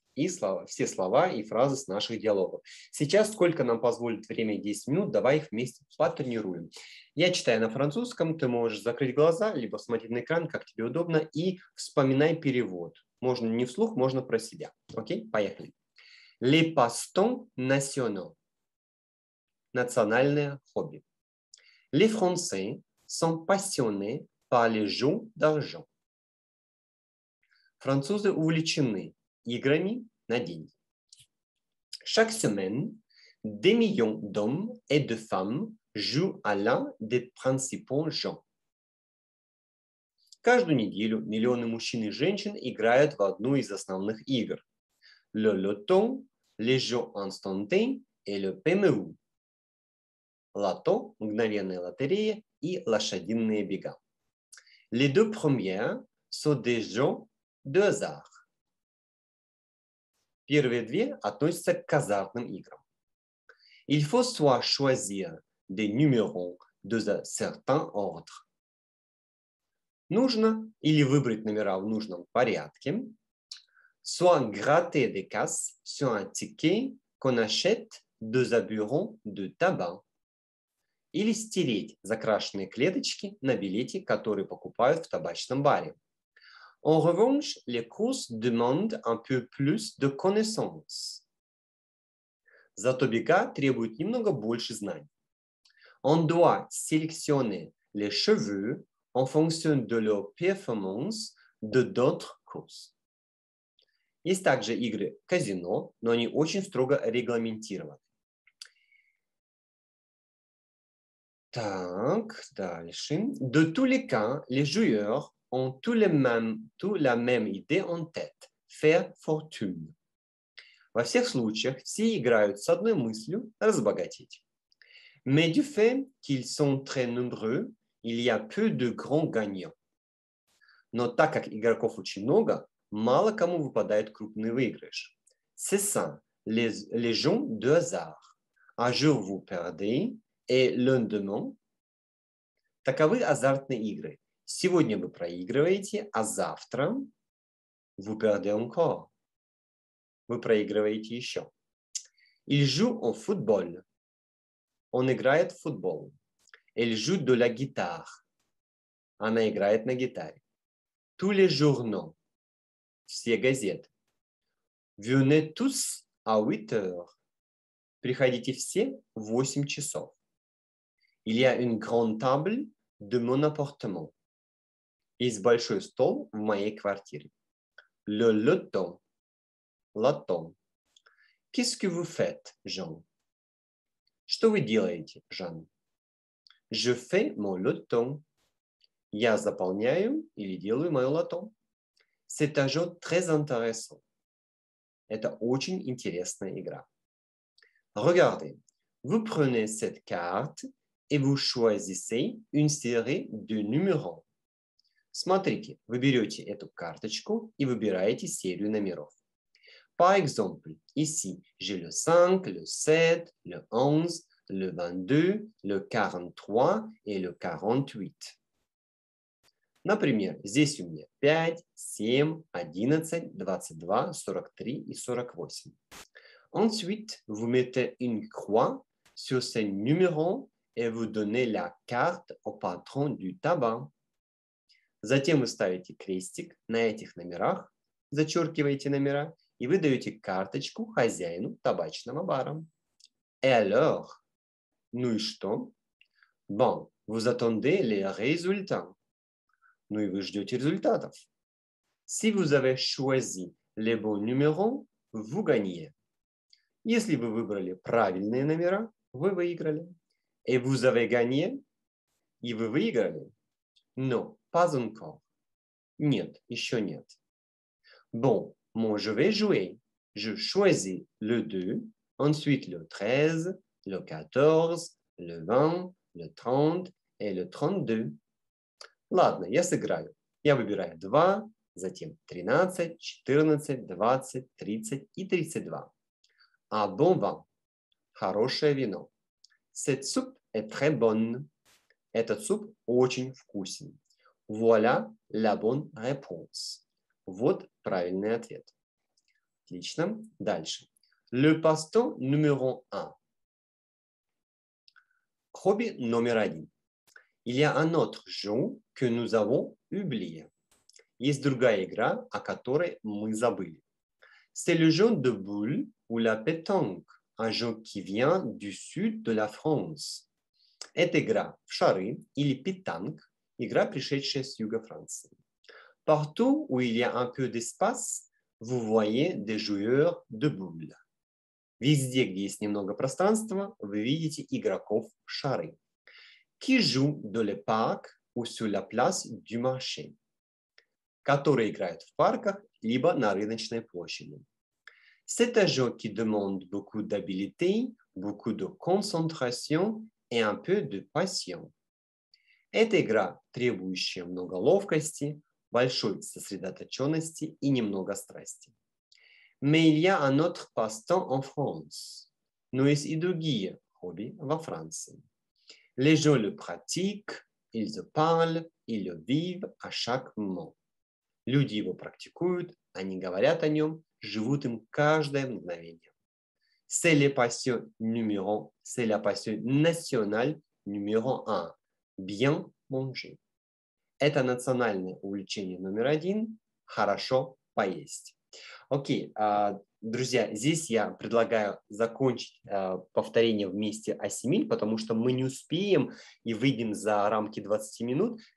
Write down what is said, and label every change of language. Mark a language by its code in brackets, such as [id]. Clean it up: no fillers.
[ru] И слова, все слова и фразы с наших диалогов. Сейчас сколько нам позволит время? 10 минут. Давай их вместе потренируем. Я читаю на французском. Ты можешь закрыть глаза, либо смотреть на экран, как тебе удобно. И вспоминай перевод. Можно не вслух, можно про себя. Окей, поехали. [fr] Les passe-temps nationaux. [ru] Национальное хобби. [fr] Les Français sont passionnés par les jeux d'argent. [ru] Французы увлечены играми на деньги. [fr] Chaque semaine, des millions d'hommes et de femmes jouent à l'un des principaux jeux. [ru] Каждую неделю миллионы мужчин и женщин играют в одну из основных игр. [fr] Le loto, les jeux instantanés et le PMU. [ru] Лото, мгновенная лотерея и лошадиные бега. [fr] Les deux premières sont des jeux de hasard. [ru] Первые две относятся к азартным играм. [fr] Il faut soit choisir des numéros de certain ordre. [ru] Нужно или выбрать номера в нужном порядке. [fr] Soit gratter des cases sur un ticket qu'on achète dans un bureau de tabac. [ru] Или стереть закрашенные клеточки на билете, которые покупают в табачном баре. [fr] En revanche, les courses demandent un peu plus de connaissances. [ru] Зато бега требует немного больше знаний. [fr] On doit sélectionner les chevaux en fonction de leur performance de d'autres courses. [ru] Есть также игры казино, но они очень строго регламентированы. Так, дальше. [fr] De tous les cas, les joueurs ont tous la même idée en tête, faire fortune. [ru] Во всех случаях все играют с одной мыслью – разбогатеть. [fr] Mais du fait qu'ils sont très nombreux, il y a peu de grands gagnants. [ru] Но так как игроков очень много, мало кому выпадает крупный выигрыш. [fr] C'est ça, les jeux de hasard. Un jour vous perdez, et lendemain. [ru] Таковы азартные игры. Сегодня вы проигрываете, а завтра [fr] vous perdez encore. [ru] Вы проигрываете еще. [fr] Il joue au football. [ru] Он играет в футбол. [fr] Elle joue de la guitare. [ru] Она играет на гитаре. [fr] Tous les journaux. [ru] Все газеты. [fr] Venez tous à 8 heures. [ru] Приходите все в 8 часов. [fr] Il y a une grande table de mon appartement. [ru] Есть большой стол в моей квартире. [fr] Le loto. Loto. Qu'est-ce que vous faites, Jean? [ru] Что вы делаете, Жан? [fr] Je fais mon loto. [ru] Я заполняю или делаю мое лото. [fr] C'est un jeu très intéressant. [ru] Это очень интересная игра. [fr] Regardez. Vous prenez cette carte et vous choisissez une série de numéros. [ru] Смотрите, вы берете эту карточку и выбираете серию номеров. [fr] Par exemple, ici, j'ai le 5, le 7, le 11, le 22, le 43 et le 48. [ru] Например, здесь у меня 5, 7, 11, 22, 43 и 48. [fr] Ensuite, vous mettez une croix sur ces numéros et vous donnez la carte au patron du tabac. [ru] Затем вы ставите крестик на этих номерах, зачеркиваете номера, и вы даете карточку хозяину табачного бара. [fr] Et alors? [ru] Ну и что? [fr] Bon, vous attendez les résultats. [ru] Ну и вы ждете результатов. [fr] Si vous avez choisi les bons numéros, [ru] в Угане. Если вы выбрали правильные номера, вы выиграли. [fr] Et vous avez gagné. [ru] И вы выиграли. Но, [fr] pas encore. [ru] Нет, еще нет. [fr] Bon, moi je vais jouer. Je choisis le 2, ensuite le 13, le 14, le 20, le 30 et le 32. [ru] Ладно, я сыграю. Я выбираю 2, затем 13, 14, 20, 30 и 32. [fr] А bon vin. [ru] Хорошее вино. [fr] Cette soupe est très bonne. [ru] Этот суп очень вкусен. [fr] Voilà la bonne réponse. [ru] Вот правильный ответ. Отлично. Дальше. [fr] Le passe-temps numéro 1. [ru] Хобби номер один. [fr] Il y a un autre jeu que nous avons oublié. [ru] Есть другая игра, о которой мы забыли. [fr] C'est le jeu de boules ou la pétanque, un jeu qui vient du sud de la France. [ru] Это игра в шары или pétanque, игра, пришедшая с юга Франции. [fr] Partout où il y a un peu d'espace, vous voyez des joueurs de boules. [ru] Везде, где есть немного пространства, вы видите игроков в шары. [fr] Qui joue dans le parc ou sur la place du marché? [ru] Которые играют в парках либо на рыночной площади. [fr] C'est un jeu qui demande beaucoup d'habileté, beaucoup de concentration et un peu de passion. [ru] Эта игра, требующая много ловкости, большой сосредоточенности и немного страсти. [fr] Mais il y a un autre passe-temps en France. [ru] Но есть и другие хобби во Франции. [fr] Les gens le pratiquent, ils parlent, ils le vivent à chaque moment. [ru] Люди его практикуют, они говорят о нем, живут им каждое мгновение. [fr] C'est la passion numéro, c'est la passion nationale numéro un. Bien manger. [ru] Это национальное увлечение номер один. Хорошо поесть. Окей, друзья, здесь я предлагаю закончить повторение вместе ассимиль, потому что мы не успеем и выйдем за рамки 20 минут.